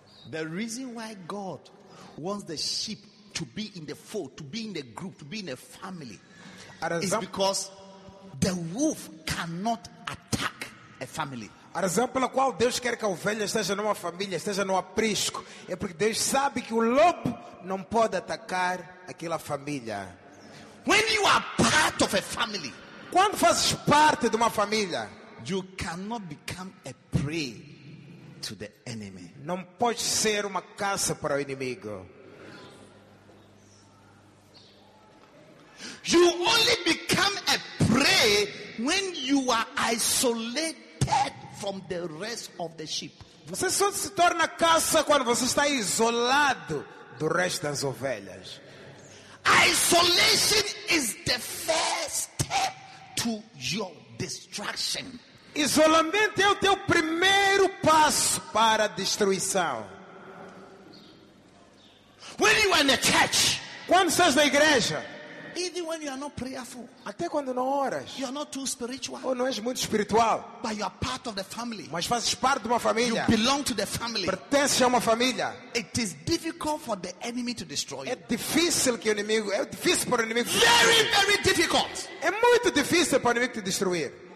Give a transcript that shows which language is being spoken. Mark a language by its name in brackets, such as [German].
[English] The reason why God wants the sheep to be in the fold, to be in the group, to be in the family, is because the wolf cannot attack a family. [Portuguese] A razão pela qual Deus quer que a ovelha esteja numa família, esteja no aprisco, é porque Deus sabe que o lobo não pode atacar aquela família. [English] When you are part of a family, [Portuguese] quando fazes parte de uma família, [English] you cannot become a prey to the enemy. [Portuguese] Não pode ser uma caça para o inimigo. [English] You only become a prey when you are isolated from the rest of the sheep. [Portuguese] Você só se torna caça quando você está isolado do resto das ovelhas. [English] Isolation is the first step to your destruction. [Portuguese] Isolamento é o teu primeiro passo para a destruição. [English] When you are in a church, [Portuguese] quando estás na igreja, [English] even when you are not prayerful, [Portuguese] até quando não oras, [English] you are not too spiritual, [Portuguese] ou não és muito espiritual, [English] but you are part of the family, [Portuguese] mas fazes parte de uma família, [English] you belong to the family, [Portuguese] pertences a uma família. [English] It is difficult for the enemy to destroy you. [Portuguese] É difícil que o inimigo, é difícil para o inimigo. [English] Very, very difficult. [Portuguese] É muito difícil para o inimigo te destruir.